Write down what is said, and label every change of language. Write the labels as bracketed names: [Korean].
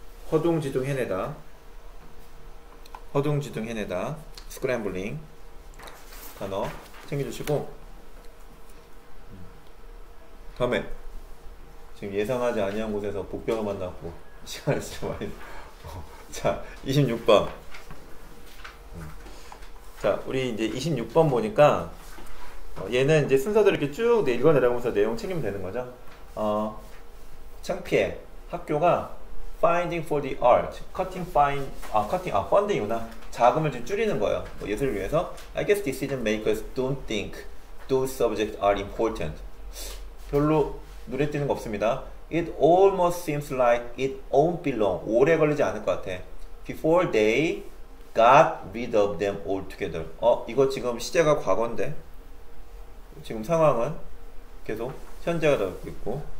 [Korean] 허둥지둥 해내다 허둥지둥 해내다 scrambling 단어 챙겨주시고 다음에 지금 예상하지 아니한 곳에서 복병을 만났고 시간을 진짜 많이 자 26번 자 우리 이제 26번 보니까 얘는 이제 순서대로 이렇게 쭉 읽어내려면서 내용 챙기면 되는 거죠 창피해 학교가 [English] finding for the art, cutting fine, 아, cutting, 아, funding이구나. [Korean] 자금을 좀 줄이는 거예요. 뭐 예술을 위해서. [English] I guess decision makers don't think those subjects are important. [Korean] 별로 눈에 띄는 거 없습니다. [English] It almost seems like it won't be long. [Korean] 오래 걸리지 않을 것 같아. [English] Before they got rid of them altogether. [Korean] 어, 이거 지금 시제가 과거인데. 지금 상황은 계속 현재가 되고 있고.